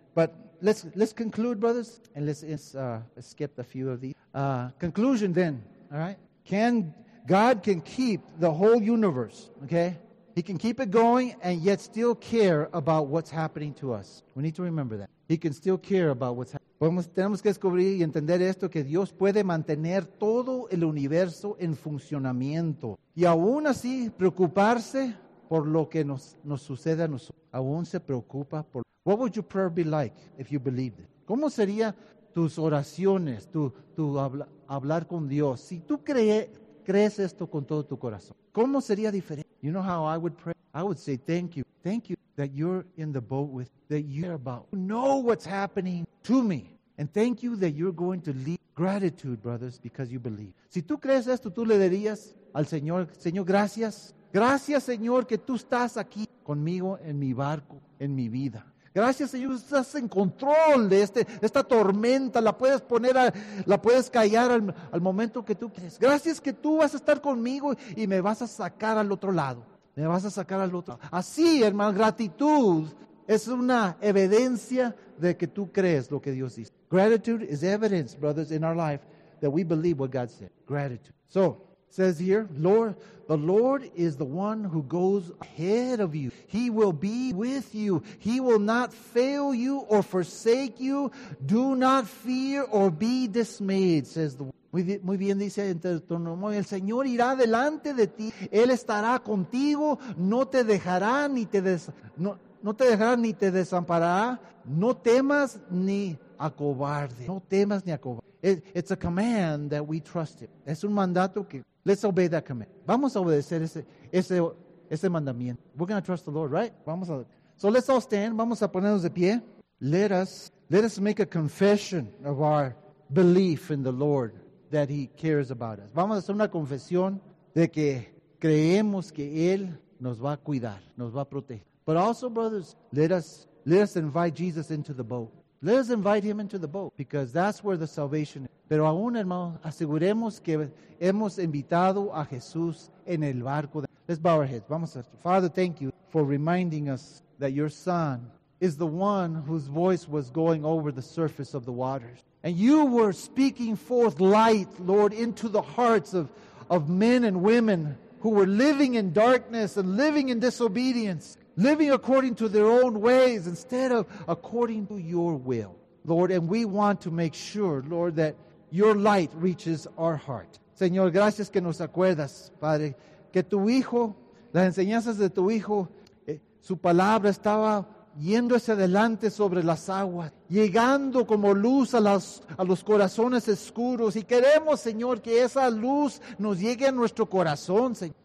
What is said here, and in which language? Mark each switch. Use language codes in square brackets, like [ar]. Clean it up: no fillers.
[en] But let's conclude, brothers, and let's skip a few of these. Conclusion then, all right? God can keep the whole universe, okay? He can keep it going and yet still care about what's happening to us. We need to remember that. He can still care about what's happening. [es] Tenemos que descubrir y entender esto, que Dios puede mantener todo el universo en funcionamiento y aún así preocuparse por lo que nos sucede a nosotros. Aún se preocupa por... [en] What would your prayer be like if you believed it? [es] ¿Cómo serían tus oraciones, tu hablar con Dios? Si tú crees esto con todo tu corazón, ¿cómo sería diferente? [en] You know how I would pray? I would say, thank you. Thank you that you're in the boat with, that you care about, you know what's happening to me. And thank you that you're going to leave gratitude, brothers, because you believe. [es] Si tú crees esto, tú le dirías al Señor, Señor, gracias. Gracias, Señor, que tú estás aquí conmigo en mi barco, en mi vida. Gracias, Señor, estás en control de esta tormenta. La puedes callar al momento que tú quieres. Gracias que tú vas a estar conmigo y me vas a sacar al otro lado. Me vas a sacar al otro lado. Así, hermano, gratitud es una evidencia de que tú crees lo que Dios dice. [en] Gratitude is evidence, brothers, in our life that we believe what God said. Gratitude. So, says here, Lord, the Lord is the one who goes ahead of you. He will be with you. He will not fail you or forsake you. Do not fear or be dismayed, says the Lord. [es] Muy bien, dice en Deuteronomio, el Señor irá delante de ti. Él estará contigo. No te dejará ni te desamparará. No temas ni acobarde. No temas ni acobarde. [en] It's a command that we trust him. [es] Es un mandato que... [en] Let's obey that command. [es] Vamos a obedecer ese mandamiento. [en] We're going to trust the Lord, right? [es] Vamos a, [en] so let's all stand. [es] Vamos a ponernos de pie. [en] Let us make a confession of our belief in the Lord that he cares about us. [es] Vamos a hacer una confesión de que creemos que él nos va a cuidar, nos va a proteger. [en] But also, brothers, let us invite Jesus into the boat. Let us invite him into the boat because that's where the salvation is. [es] Pero aún, hermano, aseguremos que hemos invitado a Jesús en el barco. [en] Let's bow our heads. [es] Vamos a... [en] Father, thank you for reminding us that your son is the one whose voice was going over the surface of the waters. And you were speaking forth light, Lord, into the hearts of men and women who were living in darkness and living in disobedience, living according to their own ways instead of according to your will. Lord, and we want to make sure, Lord, that your light reaches our heart. [es] Señor, gracias que nos acuerdas, Padre, que tu Hijo, las enseñanzas de tu Hijo, su palabra estaba yéndose adelante sobre las aguas, llegando como luz a los corazones oscuros. Y queremos, Señor, que esa luz nos llegue a nuestro corazón, Señor.